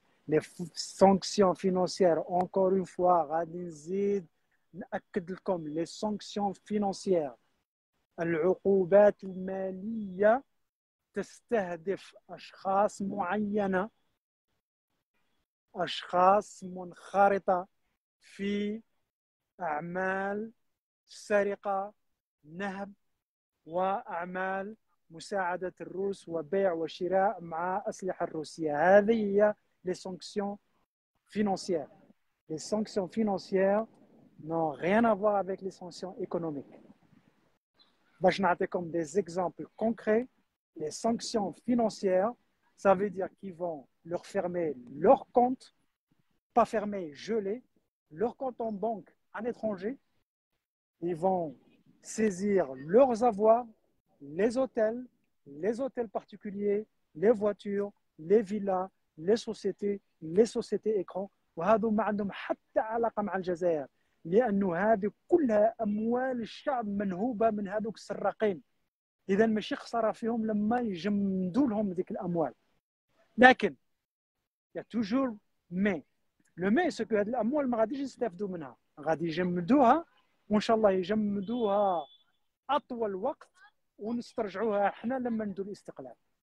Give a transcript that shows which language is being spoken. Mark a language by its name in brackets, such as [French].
[French] لي سانكسيون فينونسيير انكور اون فوا، [Arabic] غادي نزيد ناكد لكم، لي سانكسيون فينونسيير العقوبات الماليه تستهدف اشخاص معينه، أشخاص منخرطة في أعمال سرقة نهب وأعمال مساعدة الروس وبيع وشراء مع أسلحة روسية. هذه هي [French] les sanctions financières. Les sanctions financières n'ont rien à voir avec les sanctions économiques. [Arabic] باش نعطيكم [French] des exemples concrets. Les sanctions financières, ça veut dire qu'ils vont leur fermer leur compte. Pas fermé, gelé, leur compte en banque à l'étranger. Ils vont saisir leurs avoirs, les hôtels particuliers, les voitures, les villas, les sociétés écrans. [Arabic] وهذا ما عندهم حتى علاقة مع الجزائر، لأنه هذه كلها أموال الشعب منهوبة من هذوك السراقين. إذا ماشي خسارة فيهم لما يجمدوا لهم ذيك الأموال. لكن [French] يا توجور مي لو مي سكو، [Arabic] هاد الاموال ما غاديش يستافدوا منها، غادي يجمدوها وان شاء الله يجمدوها اطول وقت ونسترجعوها احنا لما ندو الاستقلال.